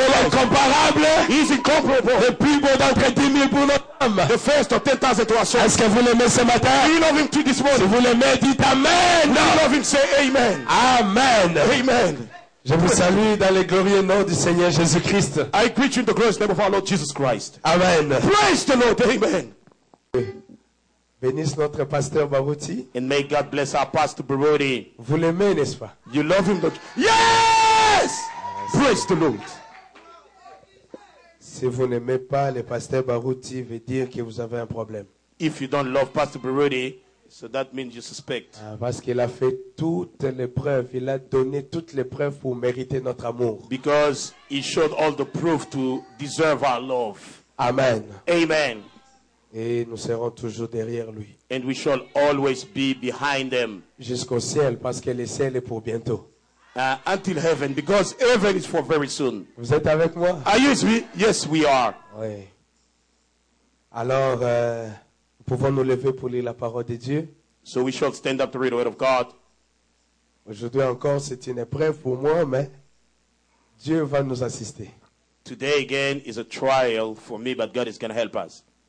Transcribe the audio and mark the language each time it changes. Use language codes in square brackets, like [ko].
[fr] Il est incomparable. [en] He is incomparable. [fr] Le plus beau d'entre 10 000 pour notre âme. [en] The first of 10,000 to our soul. [fr] Est-ce que vous l'aimez ce matin? [en] Do you love him to this morning? [fr] Si vous l'aimez, dites amen. [en] Do you love him? Say amen. Amen. Amen. [fr] Je vous salue dans le glorieux nom du Seigneur Jésus-Christ. [en] I greet you in the glorious name of our Lord Jesus Christ. Amen. Praise the Lord. Amen. [fr] Bénisse notre pasteur Baruti. [en] And may God bless our pastor Baruti. [fr] Vous l'aimez, n'est-ce pas? [en] You love him, don't you? Yes! Praise the Lord. [fr] Si vous n'aimez pas le pasteur Baruti, veut dire que vous avez un problème. [en] If you don't love Pastor Baruti, so that means you suspect. [fr] Ah, parce qu'il a fait toutes les preuves, il a donné toutes les preuves pour mériter notre amour. [en] Because he showed all the proof to deserve our love. Amen. Amen. [fr] Et nous serons toujours derrière lui. [en] And we shall always be behind them. [fr] Jusqu'au ciel, parce que le ciel est pour bientôt. [en] Until heaven, because heaven is for very soon. [fr] Vous êtes avec moi? [en] Are you with me? Yes, we are. [fr] Oui. Alors, pouvons nous lever pour lire la parole de Dieu? [en] So we shall stand up to read the word of God. [fr] Aujourd'hui encore, c'est une épreuve pour moi, mais Dieu va nous assister. [en] Today again is a trial for me, but God is going to help us.